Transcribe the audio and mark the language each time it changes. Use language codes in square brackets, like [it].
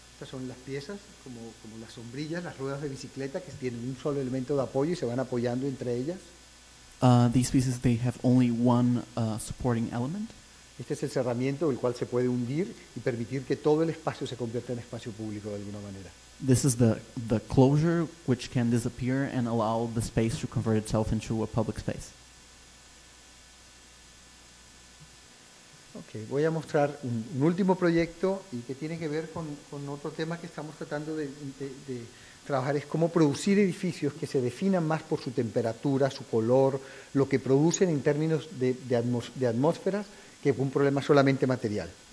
[es] Son las piezas como las sombrillas, las ruedas de bicicleta que tienen un solo elemento de apoyo y se van apoyando entre ellas. [en] These pieces, they have only one supporting element. [es] Este es el cerramiento el cual se puede hundir y permitir que todo el espacio se convierta en espacio público de alguna manera. [en] This is the closure which can disappear and allow the space to convert itself into a public space. [es] Okay, voy a mostrar un último proyecto y que tiene que ver con otro tema que estamos tratando de trabajar, es cómo producir edificios que se definan más por su temperatura, su color, lo que producen en términos de atmósferas, que un problema solamente material.